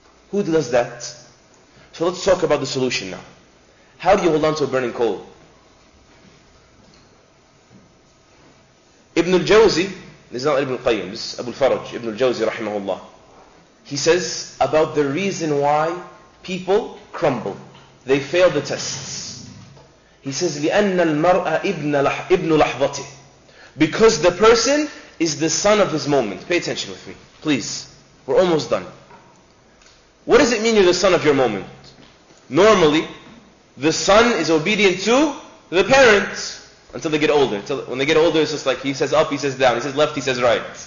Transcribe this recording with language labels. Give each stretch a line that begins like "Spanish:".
English: Who does that? So let's talk about the solution now. How do you hold on to a burning coal? Ibn al-Jawzi, this is not Ibn al-Qayyim, this is Abu al-Faraj, Ibn al-Jawzi rahimahullah. He says about the reason why people crumble. They fail the tests. He says,
Arabic: لِأَنَّ الْمَرْأَ إِبْنُ لَحْظَتِهِ.
English: Because the person is the son of his moment. Pay attention with me, please. We're almost done. What does it mean you're the son of your moment? Normally, the son is obedient to the parents. Until they get older. Until when they get older, it's just like he says up, he says down. He says left, he says right.